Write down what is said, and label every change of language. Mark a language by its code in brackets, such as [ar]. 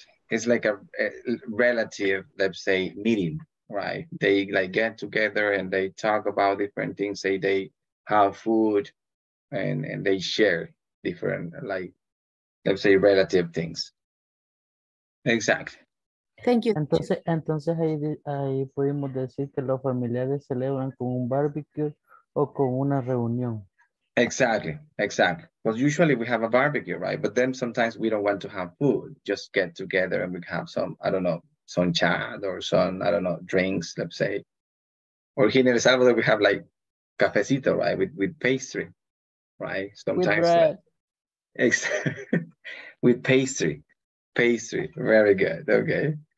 [en] It's like a relative, let's say, meeting, right? They like get together and they talk about different things, say they have food. And they share different, like, let's say, relative things. Exactly. Thank you. [es] Entonces ahí pudimos decir que los familiares celebran con un barbecue o con una reunión. [en] Exactly. Because usually we have a barbecue, right? But then sometimes we don't want to have food. Just get together and we have some, I don't know, some chat or some, I don't know, drinks, let's say. Or here in El Salvador, we have like cafecito, right? With pastry. Right, sometimes with pastry, very good. Okay,